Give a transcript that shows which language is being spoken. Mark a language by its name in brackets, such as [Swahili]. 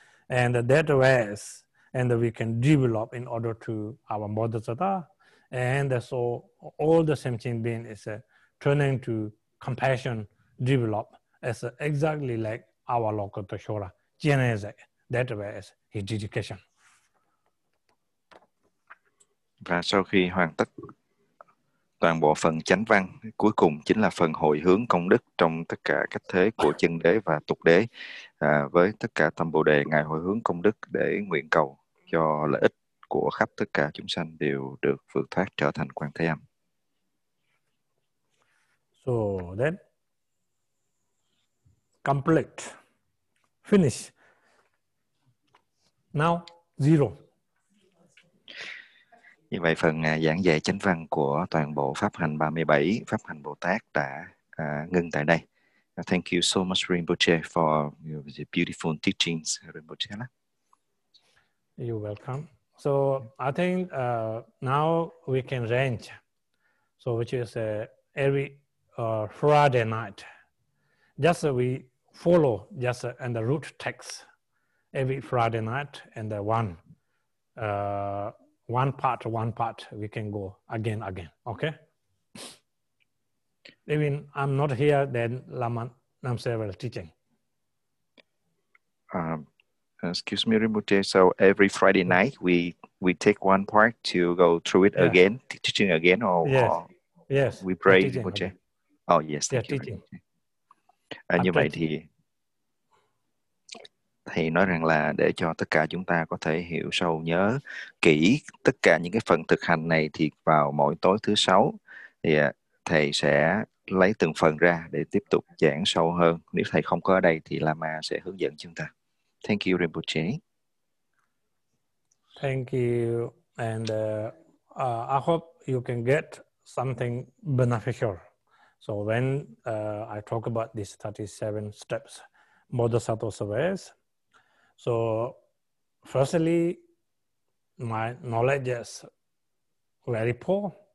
[English] And that ways, and we can develop in order to our Bodhisattva. And so all the same thing being is turning to compassion, develop as exactly like our local Toshora, Genese. That ways, his dedication. [Vietnamese] Và sau khi hoàn tất toàn bộ phần chánh văn, cuối cùng chính là phần hồi hướng công đức trong tất cả cách thế của chân đế và tục đế. Với tất cả tâm Bồ Đề, ngài hồi hướng công đức để nguyện cầu cho lợi ích của khắp tất cả chúng sanh đều được vượt thoát trở thành Quan Thế Âm. [English] So then, complete, finish. Now, zero. [Vietnamese] Như vậy phần giảng dạy chánh văn của toàn bộ pháp hành 37 pháp hành Bồ Tát đã ngưng tại đây. [English] Thank you so much Rinpoche for your beautiful teachings, Rinpoche. You're welcome. So I think now we can arrange. So which is every Friday night, just we follow just and the root text every Friday night and the one. One part, we can go again, okay? Even I'm not here, then Lama Nam several teaching. Excuse me, Rinpoche. So every Friday night, we take one part to go through it again, teaching again, or we pray, Rinpoche. Okay. Oh yes, thank you. Rinpoche. [Vietnamese] Như vậy thì thầy nói rằng là để cho tất cả chúng ta có thể hiểu sâu nhớ kỹ tất cả những cái phần thực hành này thì vào mỗi tối thứ sáu thì thầy sẽ lấy từng phần ra để tiếp tục giảng sâu hơn. Nếu thầy không có ở đây thì Lama sẽ hướng dẫn chúng ta. [English] Thank you, Rinpoche. Thank you. And I hope you can get something beneficial. So when I talk about these 37 steps, Bodhisattva surveys. So firstly, my knowledge is very poor.